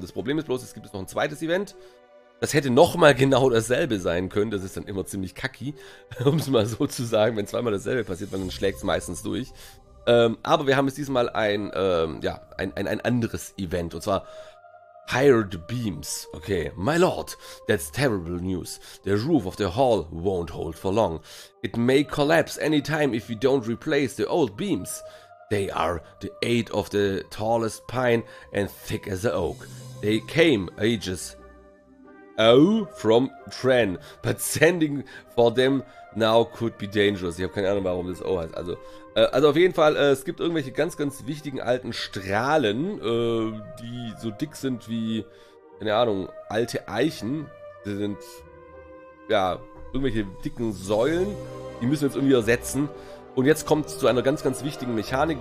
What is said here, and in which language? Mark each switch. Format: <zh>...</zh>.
<de>Das Problem ist bloß, es gibt jetzt noch ein zweites Event. Das hätte nochmal genau dasselbe sein können. Das ist dann immer ziemlich kacki, um es mal so zu sagen. Wenn zweimal dasselbe passiert, dann schlägt es meistens durch. Aber wir haben jetzt diesmal ein anderes Event. Und zwar</de> <en>Hired Beams. Okay, my lord, that's terrible news. The roof of the hall won't hold for long. It may collapse any time if we don't replace the old beams. They are the eight of the tallest pine and thick as the oak. They came ages ago from Tren, but sending for them now could be dangerous.</en> <de>Ich habe keine Ahnung, warum das O heißt. Also auf jeden Fall, es gibt irgendwelche ganz, ganz wichtigen alten Strahlen, die so dick sind wie, keine Ahnung, alte Eichen. Die sind, ja, irgendwelche dicken Säulen. Die müssen wir jetzt irgendwie ersetzen. Und jetzt kommt es zu einer ganz, ganz wichtigen Mechanik.</de>